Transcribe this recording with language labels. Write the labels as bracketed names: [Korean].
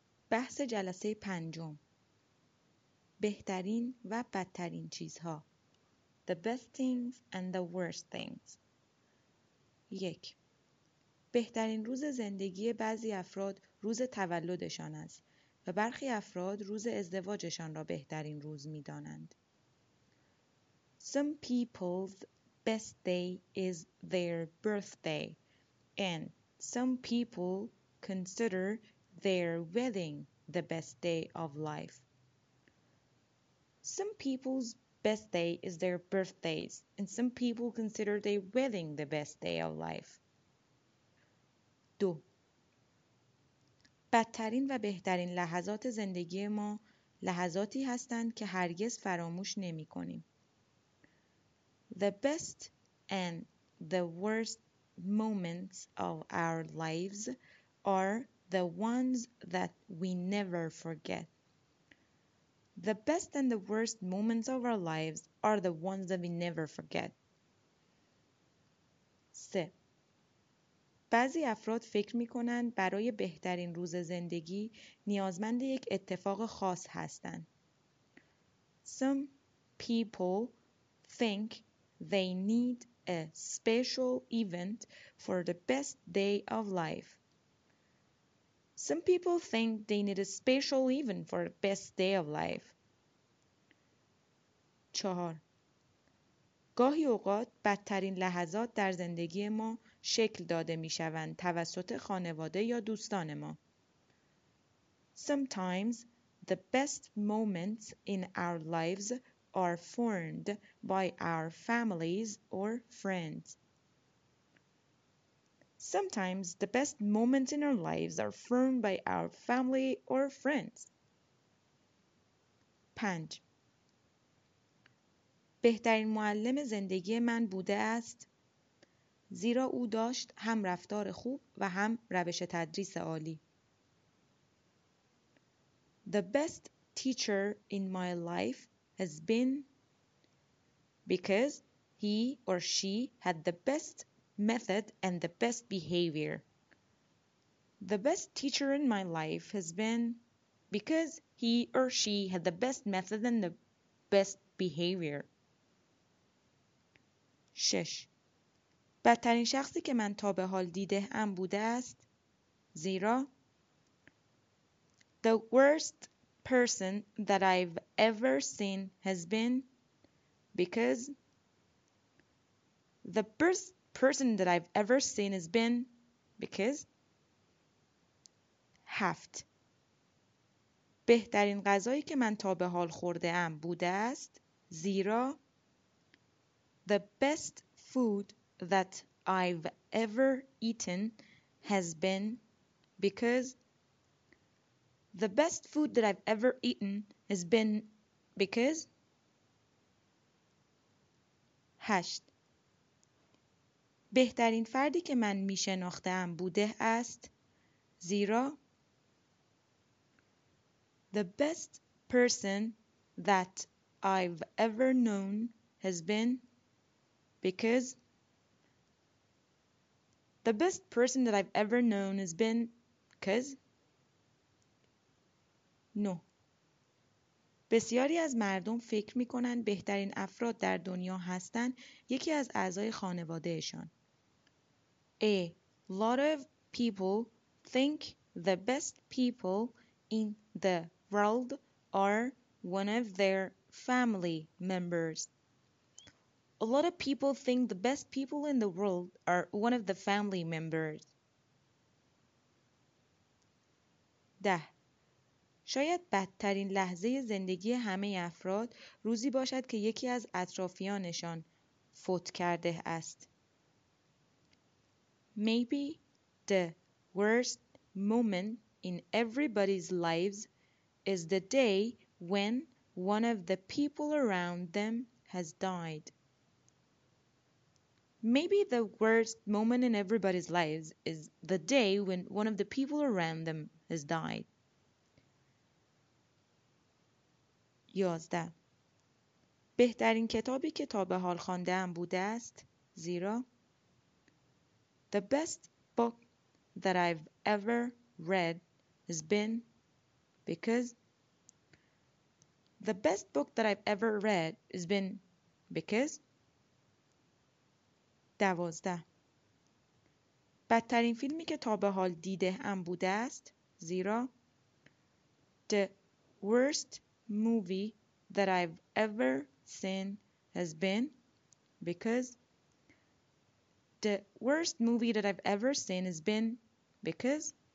[Persian] بحث جلسه پنجم، بهترین و بدترین چیزها. [English] The best things and the worst things. 1. [Persian] بهترین روز زندگی بعضی افراد روز تولدشان است و برخی افراد روز ازدواجشان را بهترین روز می دانند. [English] Some people's best day is their birthday and some people consider their wedding the best day of life. Some people's best day is their birthdays, and some people consider their wedding the best day of life. [Persian] دو. بدترین و بهترین لحظات زندگی ما لحظاتی هستند که هرگز فراموش نمی کنیم. [English] The best and the worst moments of our lives are the ones that we never forget. The best and the worst moments of our lives are the ones that we never forget. 3. [Persian] بعضی افراد فکر می‌کنند برای بهترین روز زندگی نیازمند یک اتفاق خاص هستند. [English] Some people think they need a special event for the best day of life. Some people think they need a special event for the best day of life. 4. [Persian] گاهی اوقات بدترین لحظات در زندگی ما شکل داده می شوند توسط خانواده یا دوستان ما. [English] Sometimes the best moments in our lives are formed by our families or friends. Sometimes the best moments in our lives are formed by our family or friends. 5. [Persian] بهترین معلم زندگی من بوده است زیرا او داشت هم رفتار خوب و هم روش تدریس عالی. [English] The best teacher in my life has been because he or she had the best method and the best behavior. The best teacher in my life has been because he or she had the best method and the best behavior. 6. [Persian] بدترین شخصی که من تا به حال دیده ام بوده است زیرا [English] The worst person that I've ever seen has been because The worst person that I've ever seen has been because 7. [Persian] بهترین غذایی که من تا به حال خورده ام بوده است زیرا [English] The best food that I've ever eaten has been because The best food that I've ever eaten has been because 8. [Persian] بهترین فردی که من میشناختم بوده است زیرا [English] The best person that I've ever known has been because the best person that I've ever known has been because no. [Persian] بسیاری از مردم فکر می‌کنند بهترین افراد در دنیا هستند یکی از اعضای خانواده‌شان. [English] A lot of people think the best people in the world are one of their family members. A lot of people think the best people in the world are one of the family members. 10. [Persian] شاید بدترین لحظه زندگی همه افراد روزی باشد که یکی از اطرافیانشان فوت کرده است. [English] Maybe the worst moment in everybody's lives is the day when one of the people around them has died. Maybe the worst moment in everybody's lives is the day when one of the people around them has died. 11. [Persian] بهترین کتابی که تا به حال خوانده‌ام بوده است زیرا [English] The best book that I've ever read has been Because the best book that I've ever read has been because 12. [Persian] بدترین فیلمی که تا به حال دیده ام بوده است زیرا [English] The worst movie that I've ever seen has been because The worst movie that I've ever seen has been because